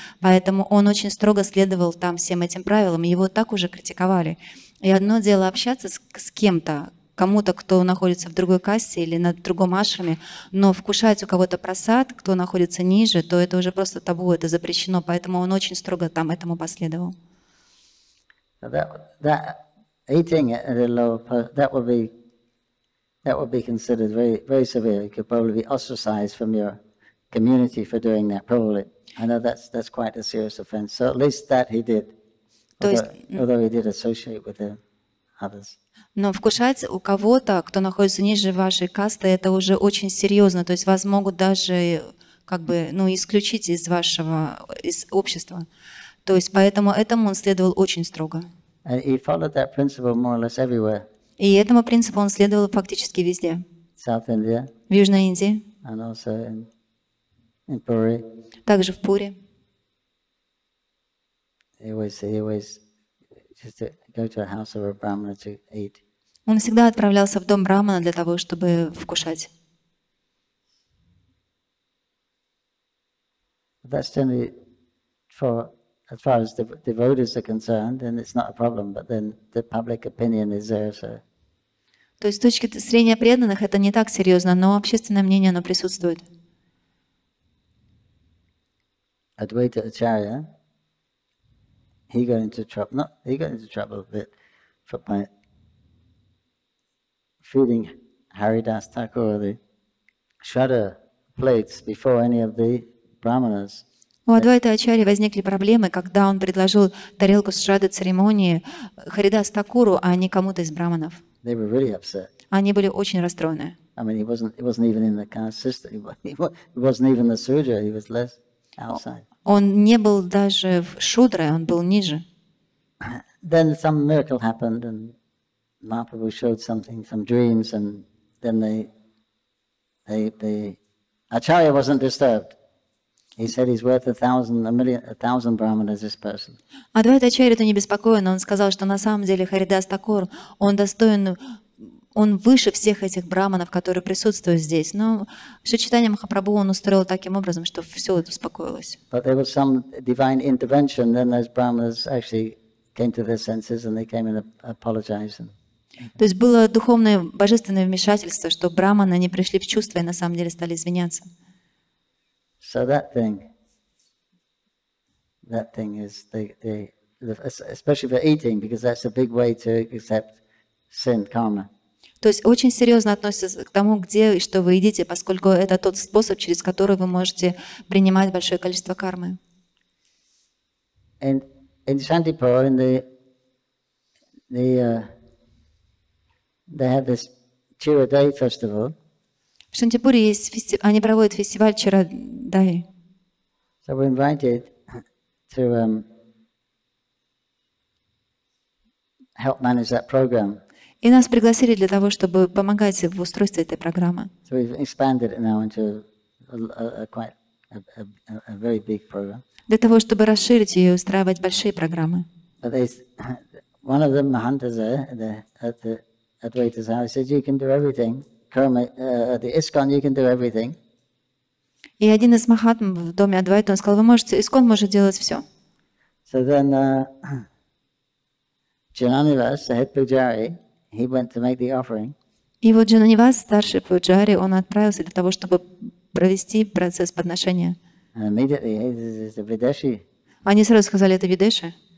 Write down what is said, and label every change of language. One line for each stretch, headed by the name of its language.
Russian: Поэтому он очень строго следовал там всем этим правилам, и его так уже критиковали. И одно дело общаться с кем-то, кому-то, кто находится в другой касте или на другом ашраме, но вкушать у кого-то прасад, кто находится ниже, то это уже просто табу, это запрещено. Поэтому он очень строго там этому последовал.
English: That eating at the lower post, that would be considered very, very severe. You could probably be ostracized from your community for doing that. Probably, I know that's quite a serious offense. So at least that he did. Although he did associate with the others.
Russian: Но вкушать у кого-то, кто находится ниже вашей касты, это уже очень серьезно. То есть вас могут даже как бы, ну, исключить из вашего из общества. То есть поэтому этому он следовал очень строго.
English: And he followed that principle more or less everywhere.
Russian: И этому принципу он следовал фактически везде.
English: South India,
Russian: в Южной Индии.
English: And also in In Puri.
Russian: Также в Пуре.
English: He always just to go to the house of a Brahmana to eat.
Russian: Он всегда отправлялся в дом Брахмана для того, чтобы вкушать.
English: That's only for as far as the devotees are concerned, then it's not a problem. But then the public opinion is there, so.
Russian: То есть с точки зрения преданных это не так серьезно, но общественное мнение оно присутствует.
English: Advaita Acharya, he got into trouble. Not he got into trouble a bit for my feeding Haridas Thakur the shudder plates before any of the brahmanas.
Russian: У Адвайта Ачарьи возникли проблемы, когда он предложил тарелку с шрады церемонии Харидас Такуру, а не кому-то из браманов.
English: Really
Russian: они были очень расстроены.
English: I mean, he wasn't even in the caste system. He wasn't even the sudra. He was less outside.
Russian: Он не был даже в шудре, он был ниже.
English: Then some miracle happened, and Mahaprabhu showed something, some dreams, and then the Acharya wasn't disturbed. He said he's worth a thousand brahmanas, this person.
Russian: Адвайта Ачарья это не беспокоен, он сказал, что на самом деле Харидас Такур, он достоин, он выше всех этих брахманов, которые присутствуют здесь. Но Шри Чайтанья Махапрабху он устроил таким образом, что все это успокоилось.
English: But there was some divine intervention, then those brahmanas actually came to their senses and they came and apologized. And...
Russian: То есть было духовное божественное вмешательство, что брахманы они пришли в чувство и на самом деле стали извиняться.
English: So that thing is the especially for eating, because that's a big way to accept sin karma.
Russian: То есть очень серьезно относится к тому, где и что вы едите, поскольку это тот способ, через который вы можете принимать большое количество кармы.
English: In Chandipur, in they have this Chiradai festival.
Russian: В Шантипуре есть они проводят фестиваль Чирадай.
English: So we're invited to help manage that program.
Russian: И нас пригласили для того, чтобы помогать в устройстве этой программы.
English: So we've expanded it now into a very big program.
Russian: Для того, чтобы расширить ее и устраивать большие программы.
English: But there's one of the mahantas there at the Advaita's house. He said, "You can do everything."
Russian: И один из махатм в доме Адвайта он сказал, вы можете, искон может делать все.
English: So then, Джананивас, the head pujari, he went to make the offering.
Russian: И вот Джананивас, старший пуджари, он отправился для того, чтобы провести процесс подношения.
English: And immediately, this is a videshi.
Russian: Они сразу сказали, это видеши.